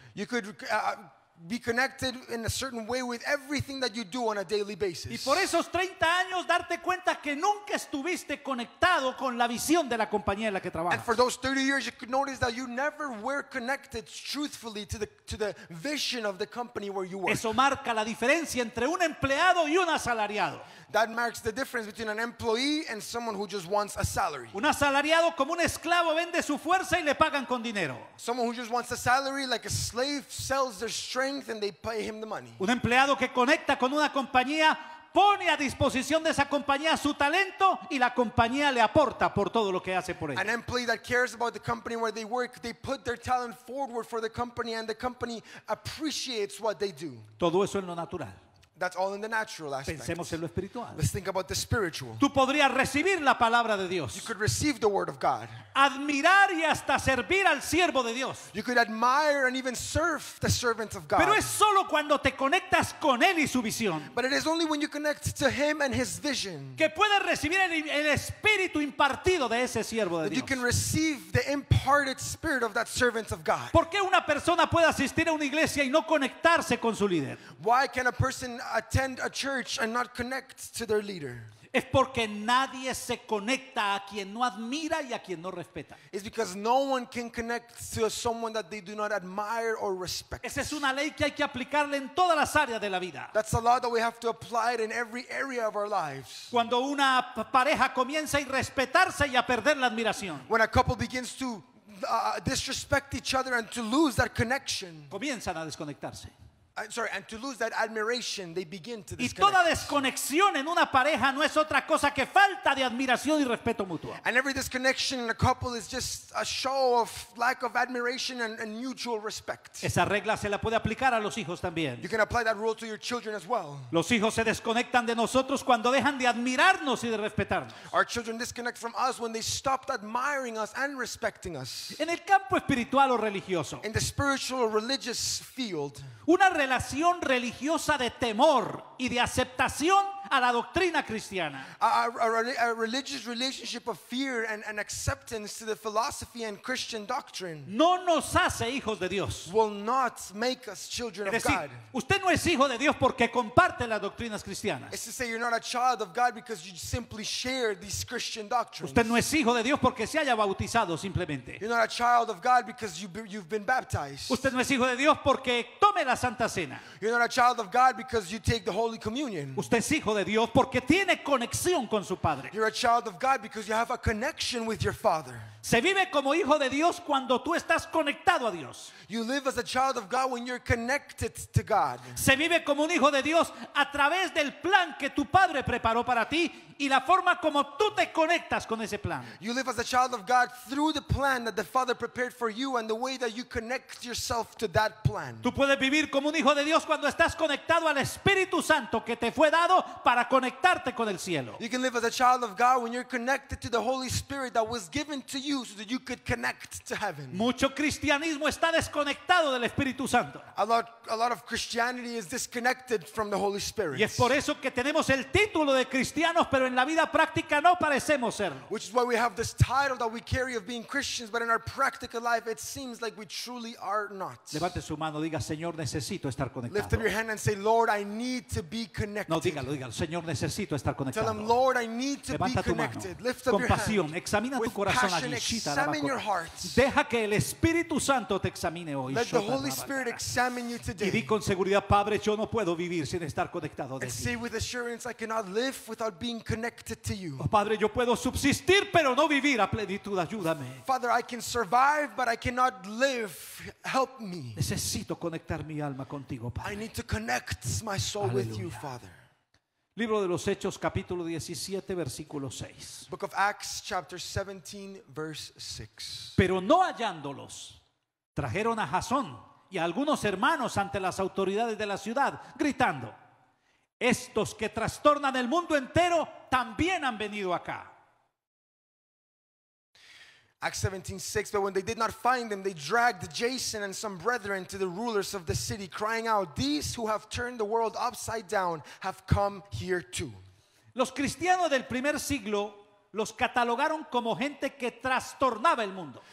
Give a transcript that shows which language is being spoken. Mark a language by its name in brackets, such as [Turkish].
[English] You could be connected in a certain way with everything that you do on a daily basis. [Spanish] Y por esos 30 años darte cuenta que nunca estuviste conectado con la visión de la compañía en la que trabajas. [English] And for those 30 years you could notice that you never were connected truthfully to the vision of the company where you work. [Spanish] Eso marca la diferencia entre un empleado y un asalariado. [English] That marks the difference between an employee and someone who just wants a salary. [Spanish] Un asalariado como un esclavo vende su fuerza y le pagan con dinero. [English] Someone who just wants a salary, like a slave, sells their strength and they pay him the money. [Spanish] Un empleado que conecta con una compañía pone a disposición de esa compañía su talento y la compañía le aporta por todo lo que hace por ella. [English] An employee that cares about the company where they work, they put their talent forward for the company and the company appreciates what they do. [Spanish] Todo eso en lo natural. [English] That's all in the natural aspect. [Spanish] Pensemos en lo espiritual. [English] Let's think about the spiritual. [Spanish] Tú podrías recibir la palabra de Dios. [English] You could receive the word of God. [Spanish] Admirar y hasta servir al siervo de Dios. [English] You could admire and even serve the servant of God. [Spanish] Pero es solo cuando te conectas con él y su visión. [English] But it is only when you connect to him and his vision. [Spanish] Que puedes recibir el espíritu impartido de ese siervo de Dios. [English] That you can receive the imparted spirit of that servant of God. [Spanish] ¿Por qué una persona puede asistir a una iglesia y no conectarse con su líder? [English] Why can a person attend a church and not connect to their leader? [Spanish] Es porque nadie se conecta a quien no admira y a quien no respeta. [English] It's because no one can connect to someone that they do not admire or respect. [Spanish] Esa es una ley que hay que aplicarle en todas las áreas de la vida. [English] That's a law that we have to apply it in every area of our lives. [Spanish] Cuando una pareja comienza a irrespetarse y a perder la admiración. [English] When a couple begins to disrespect each other and to lose that connection. [Spanish] Comienzan a desconectarse. [English] And to lose that admiration, they begin to disconnect. [Spanish] Y toda desconexión en una pareja no es otra cosa que falta de admiración y respeto mutuo. [English] And every disconnection in a couple is just a show of lack of admiration and mutual respect. [Spanish] Esa regla se la puede aplicar a los hijos también. [English] You can apply that rule to your children as well. [Spanish] Los hijos se desconectan de nosotros cuando dejan de admirarnos y de respetarnos. [English] Our children disconnect from us when they stopped admiring us and respecting us. [Spanish] En el campo espiritual o religioso. [English] In the spiritual or religious field. [Spanish] Una relación religiosa de temor y de aceptación a la doctrina cristiana. [English] A religious relationship of fear and acceptance to the philosophy and Christian doctrine. [Spanish] No nos hace hijos de Dios. [English] Will not make us children of God. [Spanish] Usted no es hijo de Dios porque comparte las doctrinas cristianas. [English] It's to say you're not a child of God because you simply share these Christian doctrines. [Spanish] Usted no es hijo de Dios porque se haya bautizado simplemente. [English] You're not a child of God because you've been baptized. [Spanish] Usted no es hijo de Dios porque tome la Santa Cena. [English] You're not a child of God because you take the Holy Communion. [Spanish] Usted es hijo de Dios porque tiene conexión con su padre. [English] You're a child of God because you have a connection with your father. [Spanish] Se vive como hijo de Dios cuando tú estás conectado a Dios. [English] You live as a child of God when you're connected to God. [Spanish] Se vive como un hijo de Dios a través del plan que tu padre preparó para ti y la forma como tú te conectas con ese plan. [English] You live as a child of God through the plan that the Father prepared for you and the way that you connect yourself to that plan. [Spanish] Tú puedes vivir como un hijo de Dios cuando estás conectado al Espíritu Santo que te fue dado para conectarte con el cielo. [English] You can live as a child of God when you're connected to the Holy Spirit that was given to you so that you could connect to heaven. [Spanish] Mucho cristianismo está desconectado del Espíritu Santo. [English] A lot of Christianity is disconnected from the Holy Spirit. [Spanish] Y es por eso que tenemos el título de cristianos, pero en la vida práctica no parecemos serlo. [English] Which is why we have this title that we carry of being Christians, but in our practical life it seems like we truly are not. [Spanish] Levante su mano, diga, Señor, necesito estar conectado. [English] Lift up your hand and say, Lord, I need to be connected. [Spanish] No, dígalo, Señor, necesito estar conectado. [English] Tell him, Lord, I need to be connected. Lift up [Spanish] compasión, [English] your hand. With [Spanish] corazón, [English] passion, examine your heart. [Spanish] Deja que el Espíritu Santo te examine hoy. [English] Let the Holy Spirit examine you today. [Spanish] Y di con seguridad, Padre, yo no puedo vivir sin estar conectado de ti. [English] Say with assurance, I cannot live without being connected to you. [Spanish] Oh, Padre, yo puedo subsistir, pero no vivir a plenitud. Ayúdame. [English] Father, I can survive, but I cannot live. Help me. [Spanish] Necesito conectar mi alma contigo, Padre. [English] I need to connect my soul. [Spanish] Aleluya. [English] With you, Father. [Spanish] Libro de los Hechos, capítulo 17, versículo 6. [English] Book of Acts, chapter 17, verse 6. [Spanish] Pero no hallándolos, trajeron a Jasón y a algunos hermanos ante las autoridades de la ciudad, gritando: estos que trastornan el mundo entero también han venido acá. [English] Acts 17:6. But when they did not find them, they dragged Jason and some brethren to the rulers of the city, crying out, these who have turned the world upside down have come here too. [Spanish] Los cristianos del primer siglo los catalogaron como gente que trastornaba el mundo.